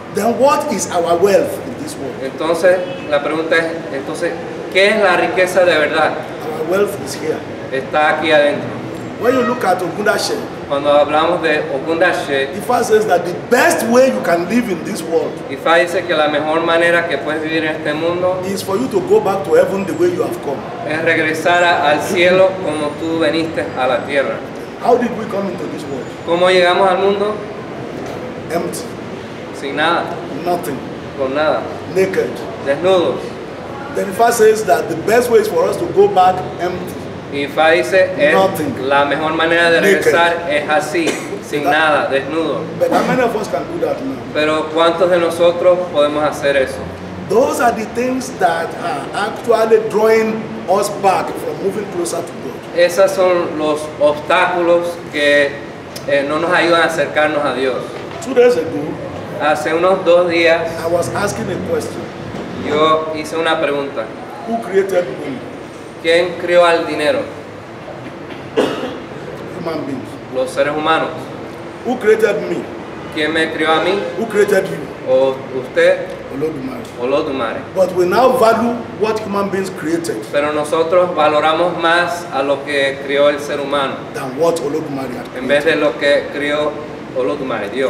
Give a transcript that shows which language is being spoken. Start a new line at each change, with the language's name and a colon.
English: Then what is our wealth in this world?
Spanish: Entonces la pregunta es, entonces, ¿qué es la riqueza de verdad?
English: Our wealth is here.
Spanish: Está aquí adentro.
English: When you look at Ogundashe.
Spanish: Cuando hablamos de Ogundashe.
English: Ifa says that the best way you can live in this world.
Spanish: Ifa dice que la mejor manera que puedes vivir en este mundo.
English: Is for you to go back to heaven the way you have come.
Spanish: Es regresar al cielo como tú veniste a la tierra.
English: How did we come into this world?
Spanish: ¿Cómo llegamos al mundo?
English: Empty.
Spanish: Sin nada.
English: Nothing.
Spanish: Con nada.
English: Naked.
Spanish: Desnudos.
English: Then Ifa says that the best way is for us to go back empty.
Spanish: Y Fa dice, la mejor manera de regresar es así, sin nada, desnudo.
English: But how many of us can do that now?
Spanish: Pero ¿cuántos de nosotros podemos hacer eso?
English: Those are the things that are actually drawing us back from moving closer to God.
Spanish: Esos son los obstáculos que no nos ayudan a acercarnos a Dios.
English: 2 days ago,
Spanish: hace unos dos días,
English: I was asking a question.
Spanish: Yo hice una pregunta.
English: Who created me?
Spanish: ¿Quién creó al dinero?
English: Human beings.
Spanish: Los seres humanos.
English: Who created me?
Spanish: ¿Quién me crió a mí?
English: Who created you?
Spanish: ¿O usted?
English: Olodumare.
Spanish: Olodumare.
English: But we now value what human beings created.
Spanish: Pero nosotros valoramos más a lo que creó el ser humano.
English: Than what Olodumare had created.
Spanish: En vez de lo que creó Olodumare, Dios.